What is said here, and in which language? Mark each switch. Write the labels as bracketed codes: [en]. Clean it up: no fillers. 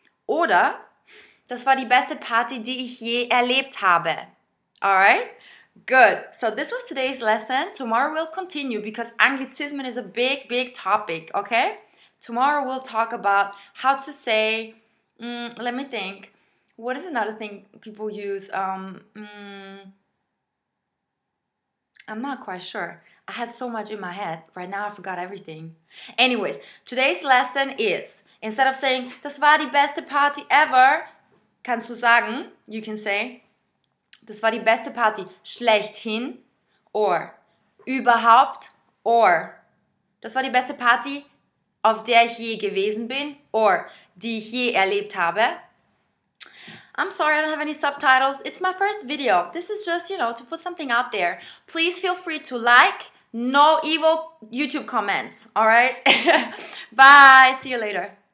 [de] Oder, das war die beste Party, die ich je erlebt habe. [en] Alright? Good. So this was today's lesson. Tomorrow we'll continue because Anglicism is a big, big topic. Okay? Tomorrow we'll talk about how to say, let me think. What is another thing people use? I'm not quite sure. I had so much in my head. Right now I forgot everything. Anyways, today's lesson is, instead of saying, [de] das war die beste Party ever, kannst du sagen, [en] you can say, [de] das war die beste Party schlechthin, [en] or überhaupt, or [de] das war die beste Party, auf der ich je gewesen bin, [en] or [de] die ich je erlebt habe. [en] I'm sorry, I don't have any subtitles. It's my first video. This is just, you know, to put something out there. Please feel free to like. No evil YouTube comments, all right? Bye, see you later.